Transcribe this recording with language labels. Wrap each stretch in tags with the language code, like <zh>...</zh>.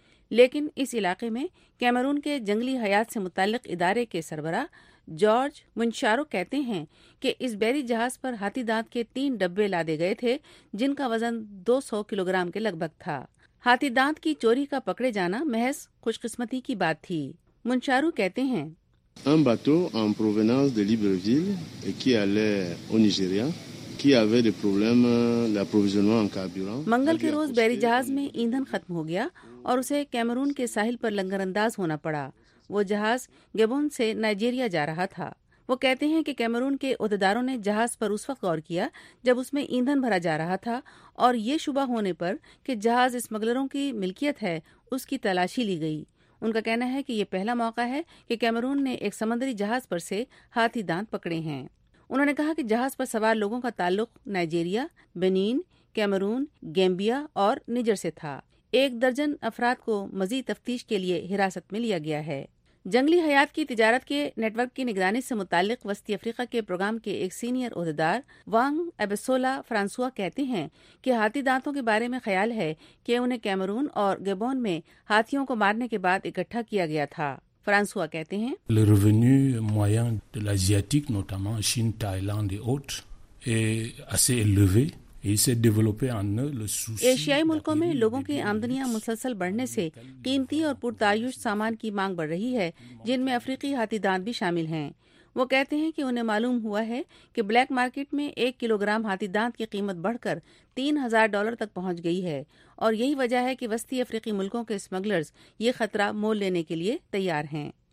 <ur>لیکن اس علاقے میں کیمرون کے جنگلی حیات سے متعلق ادارے کے سربراہ جارج منشارو کہتے ہیں کہ اس بحری جہاز پر ہاتھی دانت کے 3 ڈبے لادے گئے تھے جن کا وزن 200 کلوگرام کے لگ بھگ تھا. ہاتھی دانت کی چوری کا پکڑے جانا محض خوش قسمتی کی بات تھی. منشارو کہتے ہیں</ur> <fr>Un bateau en provenance de Libreville et qui allait au Nigeria, qui avait des problèmes d'approvisionnement en carburant.</fr> <ur>منگل کے روز بحری جہاز میں ایندھن ختم ہو گیا اور اسے کیمرون کے ساحل پر لنگر انداز ہونا پڑا. وہ جہاز گیبون سے نائجیریا جا رہا تھا. وہ کہتے ہیں کہ کیمرون کے عہدیداروں نے جہاز پر اس وقت غور کیا جب اس میں ایندھن بھرا جا رہا تھا اور یہ شبہ ہونے پر کہ جہاز اسمگلروں کی ملکیت ہے اس کی تلاشی لی گئی. ان کا کہنا ہے کہ یہ پہلا موقع ہے کہ کیمرون نے ایک سمندری جہاز پر سے ہاتھی دانت پکڑے ہیں. انہوں نے کہا کہ جہاز پر سوار لوگوں کا تعلق نائجیریا، بنین، کیمرون، گیمبیا اور نیجر سے تھا. ایک درجن افراد کو مزید تفتیش کے لیے حراست میں لیا گیا ہے. جنگلی حیات کی تجارت کے نیٹ ورک کی نگرانی سے متعلق وسطی افریقہ کے پروگرام کے ایک سینئر عہدیدار وانگ ایبسولا فرانسوا کہتے ہیں کہ ہاتھی دانتوں کے بارے میں خیال ہے کہ انہیں کیمرون اور گیبون میں ہاتھیوں کو مارنے کے بعد اکٹھا کیا گیا تھا. فرانسوا کہتے ہیں</ur> <fr>Le revenu moyen de l'Asiatique, notamment Chine, Thaïlande et autres, est assez élevé.</fr> <ur>ایشیائی ملکوں میں لوگوں کی آمدنیاں مسلسل بڑھنے سے قیمتی اور پرتعیش سامان کی مانگ بڑھ رہی ہے جن میں افریقی ہاتھی دانت بھی شامل ہیں. وہ کہتے ہیں کہ انہیں معلوم ہوا ہے کہ بلیک مارکیٹ میں 1 کلوگرام ہاتھی دانت کی قیمت بڑھ کر $3,000 تک پہنچ گئی ہے اور یہی وجہ ہے کہ وسطی افریقی ملکوں کے اسمگلرز یہ خطرہ مول لینے کے لیے تیار ہیں.</ur>